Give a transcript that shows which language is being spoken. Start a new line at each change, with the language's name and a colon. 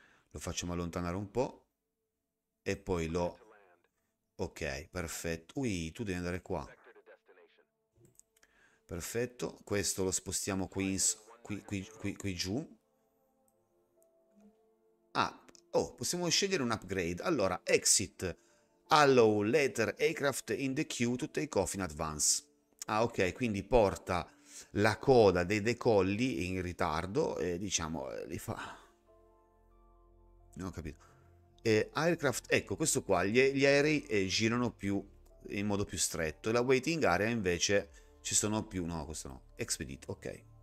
Italian: Lo facciamo allontanare un po' e poi lo. Ok, perfetto. Ui, tu devi andare qua. Perfetto, questo lo spostiamo qui giù. Ah, oh, possiamo scegliere un upgrade. Allora, exit.
English: Allow later aircraft in the queue to take off in advance.
Italian: Ah, ok, quindi porta la coda dei decolli in ritardo e diciamo li fa. Non ho capito. E aircraft, ecco, questo qua, gli aerei girano più in modo più stretto. La waiting area invece ci sono più. No, questo no. Expedite, ok.